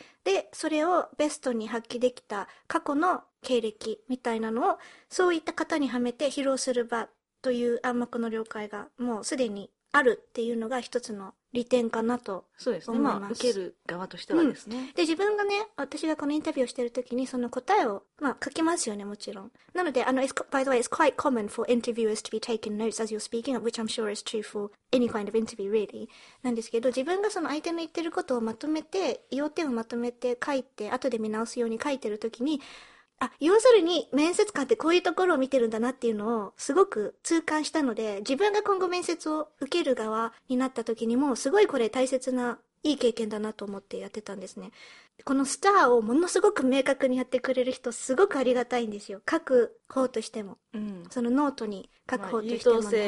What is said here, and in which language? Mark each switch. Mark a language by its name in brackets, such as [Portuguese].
[Japanese] で、それをベストに発揮できた過去の経歴みたいなのを、そういった方にはめて披露する場という暗黙の了解がもうすでにあるっていうのが一つの利点かなと思います。そうですね。まあ、受ける側としてはですね。で、自分がね、私がこのインタビューをしてるときにその答えを、まあ書きますよね、もちろん。なので、 [English] it's, by the way, it's quite common for interviewers to be taking notes as you're speaking, which I'm sure is true for any kind of interview, [Japanese] なんですけど、自分がその相手の言ってることをまとめて、要点をまとめて書いて、後で見直すように書いてるときに、 要するに面接官ってこういうところを見てるんだなっていうのをすごく痛感したので、自分が今後面接を受ける側になった時にもすごいこれ大切ないい経験だなと思ってやってたんですね。このスターをものすごく明確にやってくれる人すごくありがたいんですよ。各方としても。その、ノートに書く方としても。優